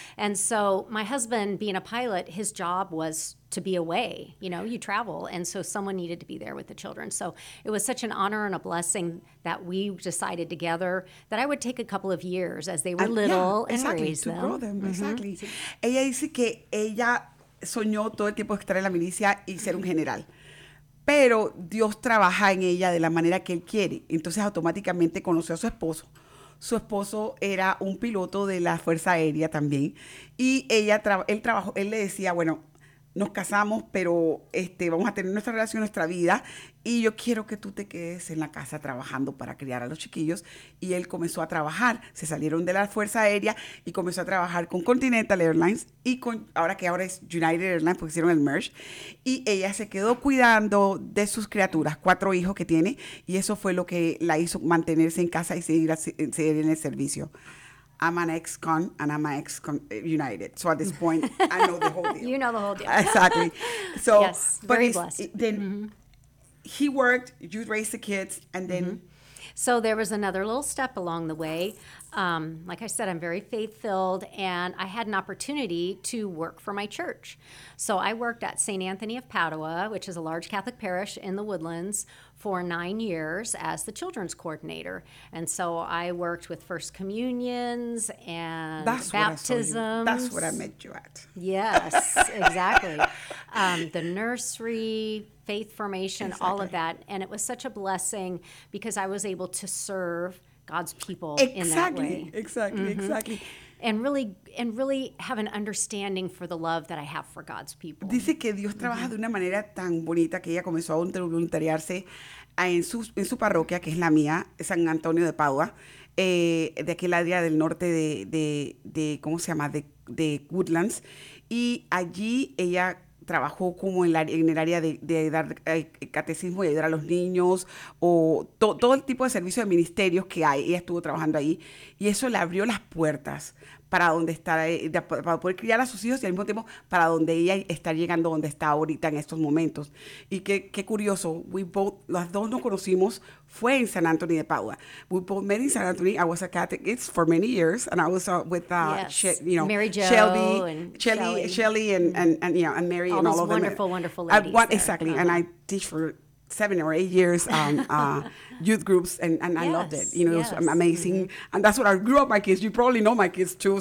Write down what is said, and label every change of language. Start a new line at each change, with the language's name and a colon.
English: And so my husband, being a pilot, his job was to be away. You know, you travel. And so someone needed to be there with the children. So it was such an honor and a blessing that we decided together that I would take a couple of years as they were little and raise them. Exactly.
Spanish: Ella dice que ella soñó todo el tiempo estar en la milicia y ser un general. Pero Dios trabaja en ella de la manera que Él quiere. Entonces, automáticamente conoció a su esposo. Su esposo era un piloto de la Fuerza Aérea también. Y él le decía, bueno, nos casamos, pero vamos a tener nuestra relación, nuestra vida. Y yo quiero que tú te quedes en la casa trabajando para criar a los chiquillos. Y él comenzó a trabajar. Se salieron de la Fuerza Aérea y comenzó a trabajar con Continental Airlines. Y ahora es United Airlines, porque hicieron el merge. Y ella se quedó cuidando de sus criaturas, cuatro hijos que tiene. Y eso fue lo que la hizo mantenerse en casa y seguir en el servicio.
English: I'm an ex-con and I'm an ex-con United. So at this point, I know the whole deal. You know the whole deal. Exactly. So, yes, very blessed. Then he worked, you raised the kids, and then? So there was another little step along the way. Like I said, I'm very faith-filled, and I had an opportunity to work for my church. So I worked at St. Anthony of Padua, which is a large Catholic parish in the Woodlands, for 9 years as the children's coordinator. And so I worked with First Communions and baptisms. That's what I met you at. Yes, exactly. The nursery, faith formation, exactly. All of that. And it was such a blessing because I was able to serve God's people in that way. Exactly, exactly, exactly. And really have an understanding for the love that I have for God's people.
Spanish: Dice que Dios trabaja de una manera tan bonita que ella comenzó a voluntariarse en su parroquia, que es la mía, San Antonio de Padua, de aquel área del norte de ¿cómo se llama? De Woodlands. Y allí ella trabajó como en el área de dar catecismo y ayudar a los niños o todo el tipo de servicios de ministerios que hay. Ella estuvo trabajando ahí y eso le abrió las puertas para donde está, para poder criar a sus hijos y al mismo tiempo para donde ella está llegando, donde está ahorita en estos momentos. Y qué curioso, las dos nos conocimos, fue en San Antonio de Padua.
English: We both met in San Antonio. I was a catechist for many years and I was with Mary Jo, Shelly and Mary all and all of them. All those wonderful ladies. Exactly, and I teach for 7 or 8 years youth groups, and yes, I loved it. You know, yes, it was amazing. Mm-hmm. And that's what I grew up my kids. You probably know my kids too.